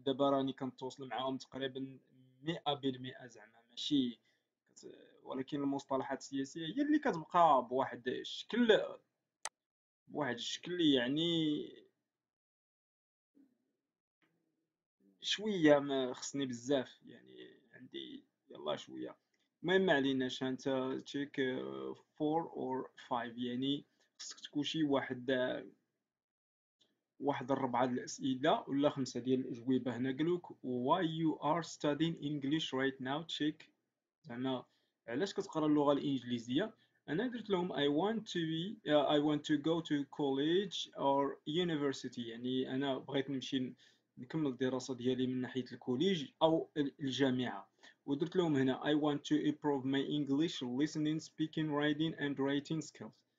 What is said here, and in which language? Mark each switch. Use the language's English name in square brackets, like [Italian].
[Arabic] دابا راني كنتواصل معاهم تقريبا 100% زعما، ماشي، ولكن المصطلحات السياسيه هي اللي كتبقى بواحد الشكل يعني شوية، ما خصني بزاف يعني عندي يلا شوية. المهم ما عليناش، انت تشيك 4 اور 5 يعني خصك تكون شي واحد الربعة ديال الأسئلة ولا خمسة ديال الأجوبة. هنا قالوك [English] why you are studying English right now check، [Arabic] زعما علاش كتقرا اللغة الإنجليزية. أنا قلت لهم [English] I want to go to college or university، [Arabic] يعني أنا بغيت نمشي نكمل الدراسة ديالي من ناحية الكوليج أو الجامعة. ودرت لهم هنا [English] I want to improve my English listening, speaking, writing and writing skills.